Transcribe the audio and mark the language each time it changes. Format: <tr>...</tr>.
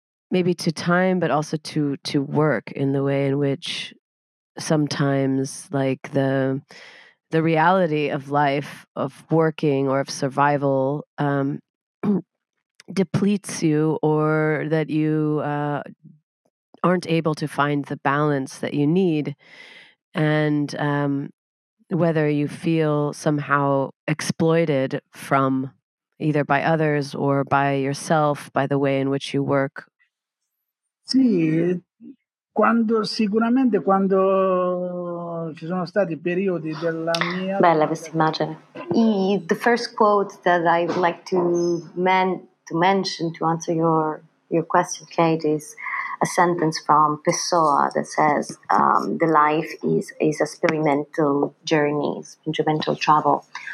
<en>maybe to time, but also to work in the way in which sometimes, like, the reality of life, of working or of survival, depletes you, or that you aren't able to find the balance that you need. And whether you feel somehow exploited from either by others or by yourself, by the way in which you work.</en> <it>Sì, quando sicuramente quando ci sono stati periodi della mia. Bella questa immagine.</it> <en>The first quote that I would like to mention to answer your question, Kate, is a sentence from Pessoa that says, "The life is a experimental journey, experimental travel."</en>